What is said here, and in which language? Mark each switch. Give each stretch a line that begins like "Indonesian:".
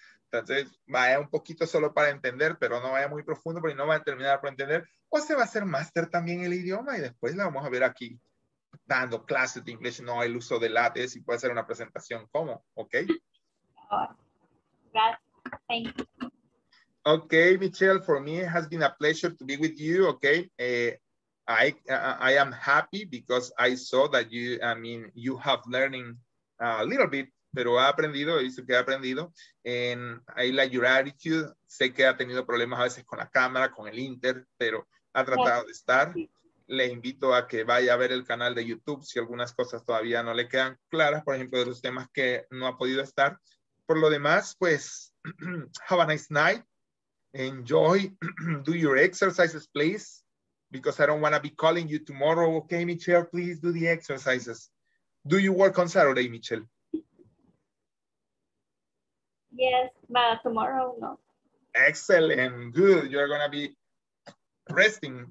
Spanish: Entonces, vaya un poquito solo para entender, pero no vaya muy profundo, porque no va a terminar por entender. O se va a hacer máster también el idioma y después la vamos a ver aquí dando clases de inglés, no el uso de látex y puede ser una presentación como, ¿ok?
English: Ok, Michelle, for me, it has been a pleasure to be with you, ok? I am happy because I saw that you, I mean, you have learning a little bit,
Spanish: pero ha aprendido, dice que ha aprendido,
English: and I like your attitude,
Spanish: sé que ha tenido problemas a veces con la cámara, con el inter, pero ha tratado de estar. Le invito a que vaya a ver el canal de YouTube si algunas cosas todavía no le quedan claras, por ejemplo, de los temas que no ha podido estar. Por lo demás, pues,
English: have a nice night. Enjoy. Do your exercises, please. Because I don't want to be calling you tomorrow. Okay, Michelle, please do the exercises. Do you work on Saturday, Michelle? Yes, but tomorrow, no. Excellent. Good. You're going to be resting.